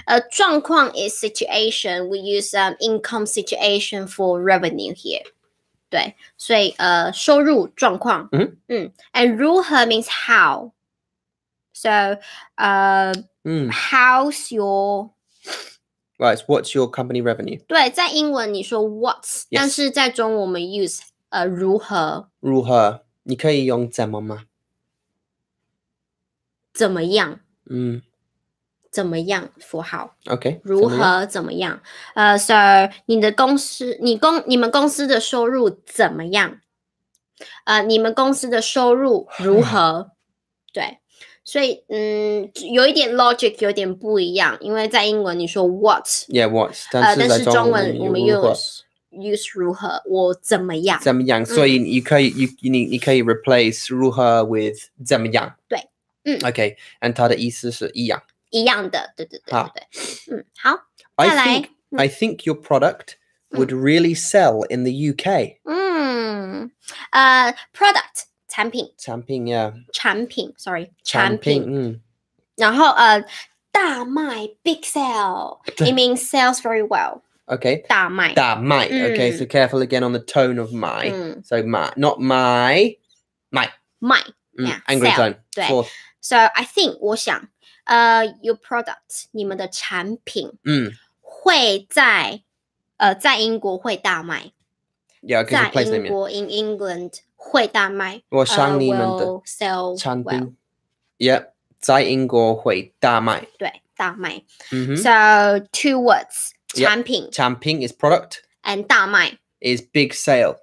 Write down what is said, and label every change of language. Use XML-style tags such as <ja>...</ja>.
<en>状况 is situation, we use income situation for revenue here.</en> <zh>对，所以收入状况，</zh> <en>and 如何 means how, so how's your, right? What's your company revenue?</en> <zh>对，在英文你说</zh> <en>what's,、 yes.</en> <zh>但是在中文我们 use 如何？如何？你可以用怎么吗？怎么样？怎么</zh> <en>样for how okay</en> <zh>如何怎么样so 你的公司你们公司的收入怎么样你们公司的收入如何对所以有一点 logic 有点不一样因为在英文你说 what</zh> <en>yeah what</en> <zh>但是中文我们use 如何我怎么样怎么样所以你可以你可以 replace 如何 with 怎么样对 okay and 它的意思是一样一样的，对对对对好，再来。</zh> <en>I think your product would really sell in the UK. Product 产品，</en> <zh>产品 yeah，产品 sorry，产品。然后大卖</zh> <en>big sale， it means sells very well. Okay.</en> <zh>大麦。大麦。</zh> <en>Okay, so careful again on the tone of my. So my, not my, my. My. Yeah, angry tone. So I think,</en> <zh>我想,</zh> <en>your product,</en> <zh>你们的产品会在在英国会大卖。</zh> <en>Yeah, because the place name. In England,</en> <zh>会大卖。我想你们的产品。Yep, 在英国会大卖。对，大卖。</zh> <en>So, two words, 产品。产品 is product. And 大卖。 Is big sale.</en>